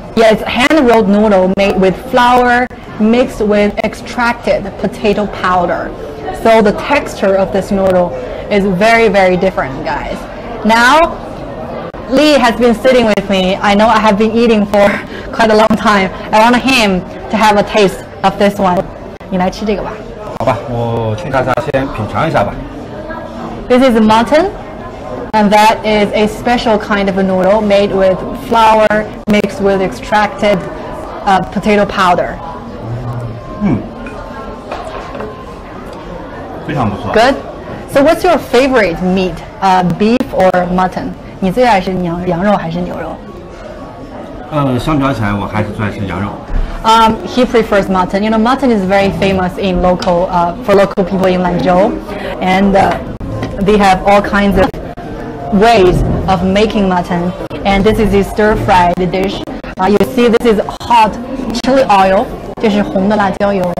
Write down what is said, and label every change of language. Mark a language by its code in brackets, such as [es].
[en] Yeah, it's hand rolled noodle made with flour mixed with extracted potato powder. So the texture of this noodle is very, very different, guys. Now, Lee has been sitting with me. I know I have been eating for quite a long time. I want him to have a taste of this one. [zh] 你来吃这个吧。好吧，我请大家先品尝一下吧。 [en] This is mutton. And that is a special kind of a noodle made with flour mixed with extracted potato powder. [zh] 非常不错。 [en] Good. So what's your favorite meat, beef or mutton? [zh] 你最爱是羊肉还是牛肉？相较起来我还是最爱吃羊肉。 [en] He prefers mutton. You know, mutton is very famous in local, for local people in Lanzhou. And they have all kinds of... ways of making mutton, and this is a stir-fried dish. You see, this is hot chili oil. [zh] 这是红的辣椒油。